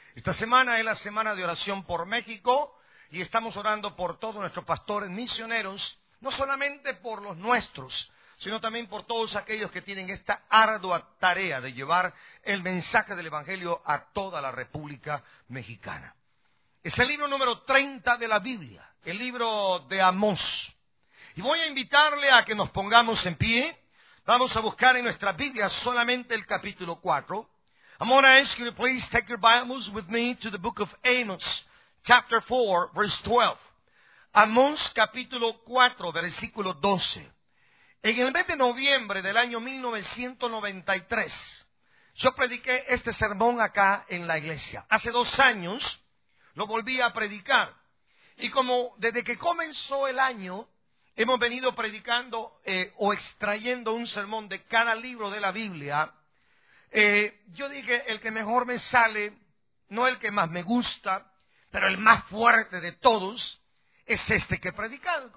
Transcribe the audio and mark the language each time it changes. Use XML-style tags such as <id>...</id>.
<es>Esta semana es la semana de oración por México y estamos orando por todos nuestros pastores misioneros, no solamente por los nuestros, sino también por todos aquellos que tienen esta ardua tarea de llevar el mensaje del Evangelio a toda la República Mexicana. Es el libro número 30 de la Biblia, el libro de Amós. Y voy a invitarle a que nos pongamos en pie. Vamos a buscar en nuestra Biblia solamente el capítulo 4.</es> <en>I'm going to ask you to please take your Bibles with me to the book of Amos, chapter 4, verse 12.</en> <es>Amós, capítulo 4, versículo 12. En el mes de noviembre del año 1993, yo prediqué este sermón acá en la iglesia. Hace 2 años... lo volví a predicar. Y como desde que comenzó el año, hemos venido predicando o extrayendo un sermón de cada libro de la Biblia, yo dije, el que mejor me sale, no el que más me gusta, pero el más fuerte de todos, es este que he predicado.</es>